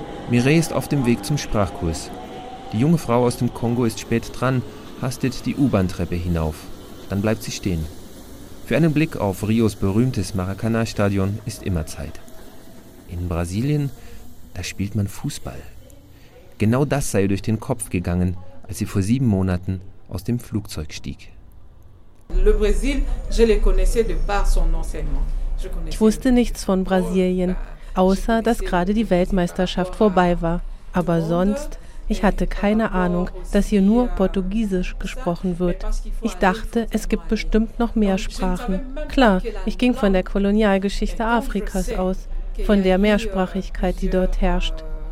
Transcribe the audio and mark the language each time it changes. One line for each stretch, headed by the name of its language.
German: Mireille ist auf dem Weg zum Sprachkurs. Die junge Frau aus dem Kongo ist spät dran, hastet die U-Bahn-Treppe hinauf. Dann bleibt sie stehen. Für einen Blick auf Rios berühmtes Maracanã-Stadion ist immer Zeit. In Brasilien, da spielt man Fußball. Genau das sei durch den Kopf gegangen, als sie vor 7 Monaten aus dem Flugzeug stieg.
French: Le Brésil, je le connaissais de par son enseignement.
German: Ich wusste nichts von Brasilien. Außer, dass gerade die Weltmeisterschaft vorbei war. Aber sonst, ich hatte keine Ahnung, dass hier nur Portugiesisch gesprochen wird. Ich dachte, es gibt bestimmt noch mehr Sprachen. Klar, ich ging von der Kolonialgeschichte Afrikas aus, von der Mehrsprachigkeit, die dort herrscht.